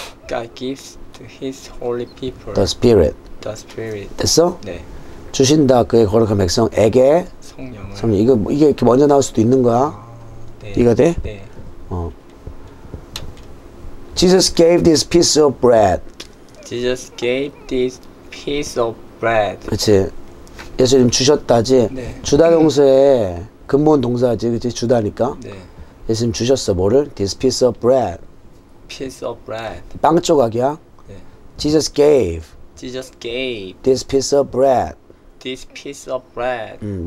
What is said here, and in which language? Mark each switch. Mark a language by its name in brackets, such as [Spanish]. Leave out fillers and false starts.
[English] God gives to his holy people. The spirit. The spirit. [Korean] 됐어? 네. 주신다 그의 거룩한 백성에게 성령을. 성령. 이거 이게 이렇게 먼저 나올 수도 있는 거야. 네. 이거 돼? 네. [English] Jesus gave this piece of bread. Jesus gave this piece of bread. [Korean] 그렇지. 예수님 주셨다지. 네. 주다 동사의 근본 동사지. 그치? 주다니까. 네. 예수님 주셨어. 뭐를? [English] This piece of bread. Piece of bread. [Korean] 빵 조각이야. 네. [English] Jesus gave. Jesus gave. This piece of bread. This piece of bread.